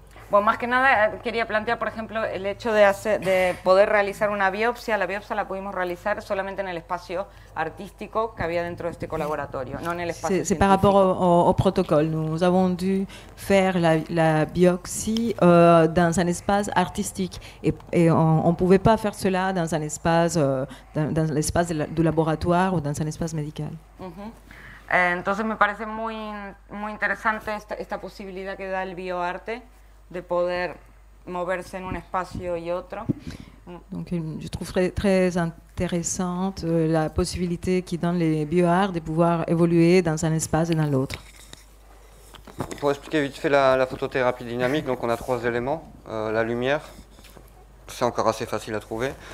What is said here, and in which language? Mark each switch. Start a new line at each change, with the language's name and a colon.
Spanish: Bueno, más que nada quería plantear, por ejemplo, el hecho de poder realizar una biopsia. La biopsia la pudimos realizar solamente en el espacio artístico que había dentro de este colaboratorio, no en el espacio científico.
French: C'est par rapport au protocole. Nous avons dû faire la biopsie dans un espace artistique et on pouvait pas faire cela dans un espace dans l'espace du laboratoire ou dans un espace médical.
Spanish: Entonces me parece muy muy interesante esta posibilidad que da el bioarte de poder moverse en un espacio y otro.
French: Donc je trouverais très intéressante la possibilité qui donne les bioarts de pouvoir évoluer dans un espace et dans l'autre. Pour expliquer vite fait la photothérapie dynamique, donc on a trois éléments. La lumière, c'est encore assez facile à trouver.